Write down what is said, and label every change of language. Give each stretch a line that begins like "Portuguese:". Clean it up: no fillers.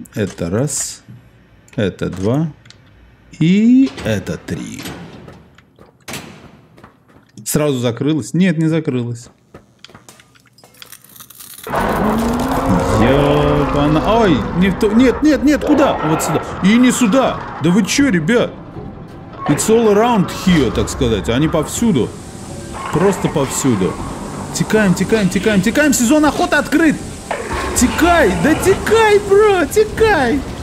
Russian: Это раз, это два и это три. Сразу закрылось? Нет, не закрылось. Ёбана, ой, не в то, нет, нет, нет, куда? Вот сюда. И не сюда. Да вы чё, ребят?
English: It's all around here,
Russian: так сказать. Они повсюду, просто повсюду. Текаем, текаем, текаем, текаем, сезон охоты открыт! Текай, да текай, бро, текай!